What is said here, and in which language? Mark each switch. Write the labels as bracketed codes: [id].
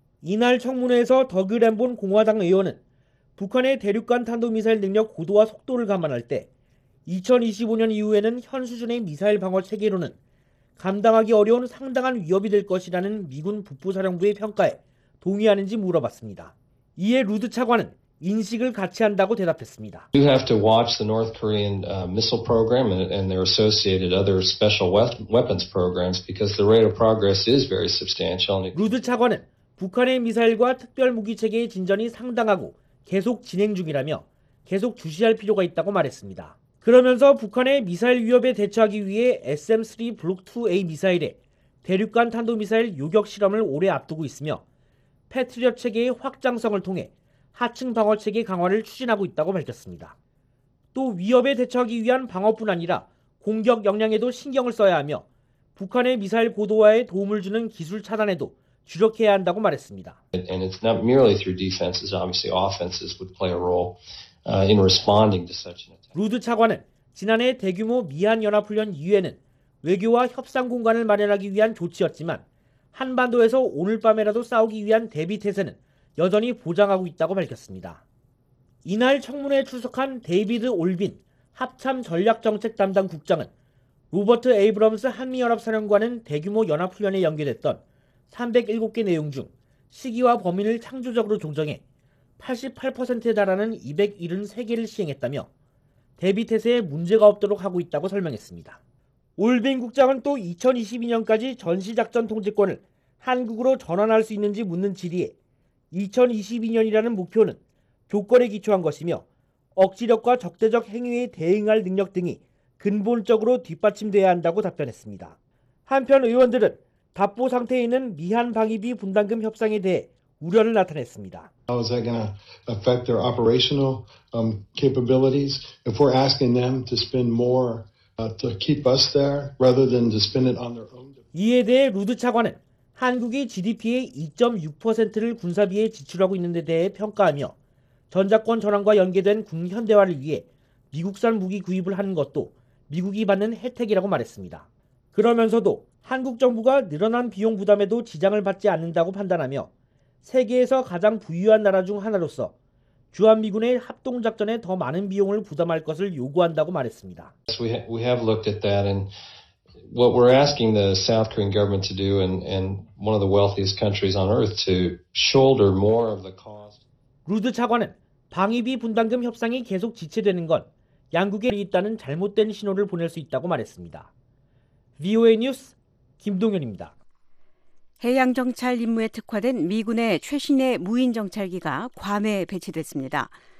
[ko] 이날 청문회에서 더그 램본 공화당 의원은 북한의 대륙간 탄도미사일 능력 고도와 속도를 감안할 때 2025년 이후에는 현 수준의 미사일 방어 체계로는 감당하기 어려운 상당한 위협이 될 것이라는 미군 북부사령부의 평가에 동의하는지 물어봤습니다. 이에 루드 차관은 인식을 같이 한다고 대답했습니다. [en] You have to watch the North Korean missile program and their associated other special weapons programs because the rate of progress is very substantial. [ko] 루드 차관은 북한의 미사일과 특별 무기 체계의 진전이 상당하고 계속 진행 중이라며 계속 주시할 필요가 있다고 말했습니다. 그러면서 북한의 미사일 위협에 대처하기 위해 SM-3 블록 2A 미사일에 대륙간 탄도 미사일 요격 실험을 올해 앞두고 있으며 패트리어 체계의 확장성을 통해 하층 방어 체계 강화를 추진하고 있다고 밝혔습니다. 또 위협에 대처하기 위한 방어뿐 아니라 공격 역량에도 신경을 써야 하며 북한의 미사일 고도화에 도움을 주는 기술 차단에도 주력해야 한다고 말했습니다. [en] And it's not merely through defenses, obviously offenses would play a role in responding to such an attack. [ko] 루드 차관은 지난해 대규모 미한 연합 훈련 이후에는 외교와 협상 공간을 마련하기 위한 조치였지만 한반도에서 오늘 밤에라도 싸우기 위한 대비 태세는 여전히 보장하고 있다고 밝혔습니다. 이날 청문회에 출석한 데이비드 올빈 합참 전략정책 담당 국장은 로버트 에이브럼스 한미연합사령관은 대규모 연합훈련에 연계됐던 307개 내용 중 시기와 범위를 창조적으로 조정해 88%에 달하는 273개를 시행했다며 대비태세에 문제가 없도록 하고 있다고 설명했습니다. 올빈 국장은 또 2022년까지 전시작전 통제권을 한국으로 전환할 수 있는지 묻는 질의에 2022년이라는 목표는 조건에 기초한 것이며 억지력과 적대적 행위에 대응할 능력 등이 근본적으로 뒷받침돼야 한다고 답변했습니다. 한편 의원들은 답보 상태에 있는 미한 방위비 분담금 협상에 대해 우려를 나타냈습니다. [en] How is that going to affect their operational capabilities if we're asking them to spend more to keep us there rather than to spend it on their own? [ko] 이에 대해 루드 차관은 한국이 GDP의 2.6%를 군사비에 지출하고 있는 데 대해 평가하며 전작권 전환과 연계된 군 현대화를 위해 미국산 무기 구입을 하는 것도 미국이 받는 혜택이라고 말했습니다. 그러면서도 한국 정부가 늘어난 비용 부담에도 지장을 받지 않는다고 판단하며 세계에서 가장 부유한 나라 중 하나로서 주한미군의 합동작전에 더 많은 비용을 부담할 것을 요구한다고 말했습니다. [en] We have looked at that and what we're asking the South Korean government to do and one of the wealthiest countries on earth to shoulder more of the cost. [ko] 루드 차관은 방위비 분담금 협상이 계속 지체되는 건 양국에 있다는 잘못된 신호를 보낼 수 있다고 말했습니다. VOA 뉴스 김동현입니다. 해양정찰 임무에 특화된 미군의 최신의 무인정찰기가 괌에 배치됐습니다.